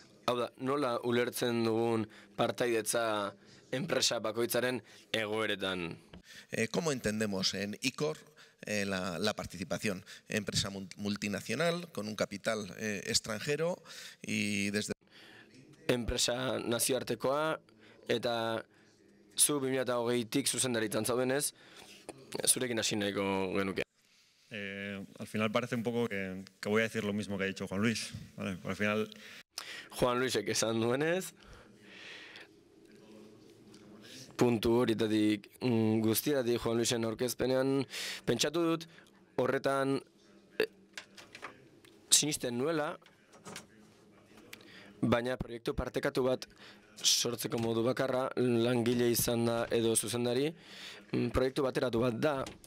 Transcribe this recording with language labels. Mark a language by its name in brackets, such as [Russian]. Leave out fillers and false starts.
[Basque] Hau da, nola ulertzen dugun partaidetza enpresa bakoitzaren egoeretan? [Spanish] Como entendemos en ICOR la participación? Empresa multinacional, con un capital extranjero, y desde... [Basque] Enpresa nazioartekoa, eta zu 2020-tik zuzendaritzan zaudenez, zurekin hasi nahiko genuke. [Spanish] Al final parece un poco que voy a decir lo mismo que ha dicho Juan Luis. Vale, al final... [Basque] Juan Luisek esan duenez, puntu horietatik guztietatik Juan Luisen aurkezpenean, pentsatu dut horretan sinisten nuela, baina proiektu partekatu bat sortzeko modu bakarra, langile izan da edo zuzendari, proiektu bateratu bat da,